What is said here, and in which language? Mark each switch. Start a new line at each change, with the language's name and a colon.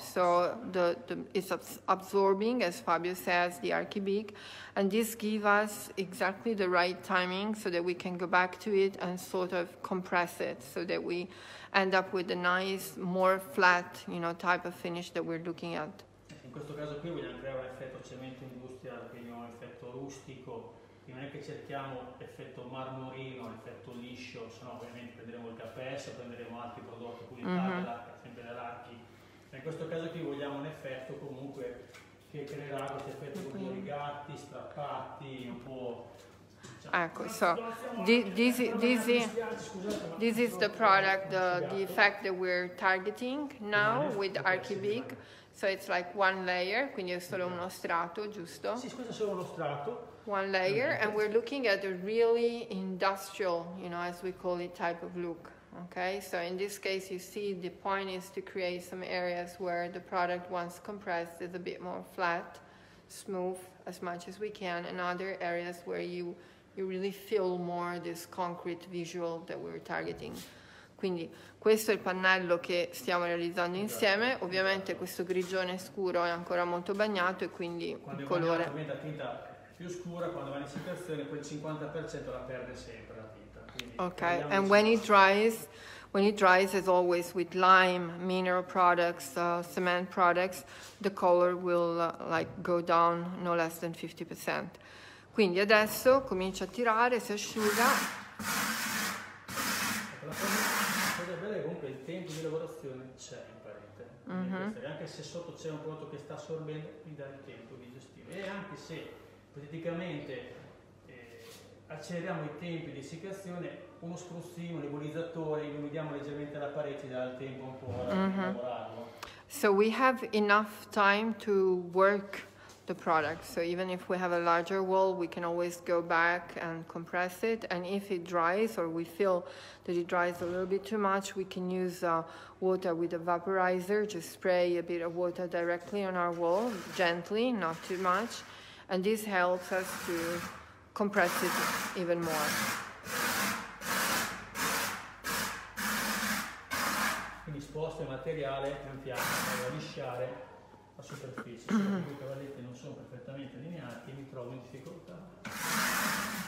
English: So the it's absorbing, as Fabio says, the Archi Big, and this gives us exactly the right timing so that we can go back to it and sort of compress it so that we end up with a nice, more flat, you know, type of finish that we're looking at.
Italian: In questo caso qui vogliamo creare un effetto cemento industriale, quindi un effetto rustico, quindi non è che cerchiamo effetto marmorino, effetto liscio, sennò ovviamente prenderemo il KPS, prenderemo altri prodotti, quindi sempre dell'Archi, In questo caso qui vogliamo un effetto comunque che creerà questo effetto con i rigatti, strappati, un po'...
English: Ecco, so, this is the product, the effect that we're targeting now with Archibig. So it's like one layer,
Italian: quindi è solo uno strato, giusto? Sì, questo è solo uno strato.
English: One layer, and we're looking at a really industrial, you know, as we call it, type of look. Okay, so in this case, you see the point is to create some areas where the product, once compressed, is a bit more flat, smooth, as much as we can, and other areas where you really feel more this concrete visual that we're targeting.
Italian: Quindi questo è il pannello che stiamo realizzando insieme. Ovviamente questo grigione scuro è ancora molto bagnato e quindi quando il colore diventa tinta più scura, quando va in situazione, quel 50% la perde sempre la tinta. Quindi,
English: okay, and when it dries, as always with lime, mineral products, cement products, the color will like go down no less than 50%.
Italian: Quindi adesso comincia a tirare, si asciuga. La cosa bella è comunque il tempo di lavorazione c'è in parete. Mm-hmm. Anche se sotto c'è un prodotto che sta assorbendo, mi dà il tempo di gestire. E anche se praticamente acceleriamo i tempi di essiccazione, uno spruzzino, un nebulizzatore, illuminiamo leggermente la parete, dà il tempo un po' di lavorarlo.
English: So we have enough time to work the product, so even if we have a larger wall, we can always go back and compress it, and if it dries or we feel that it dries a little bit too much, we can use water with a vaporizer, just spray a bit of water directly on our wall, gently, not too much, and this helps us to compress it even more.
Italian: Quindi sposto il materiale pian piano, vado a lisciare la superficie, se i cavalletti non sono perfettamente allineati mi trovo in difficoltà.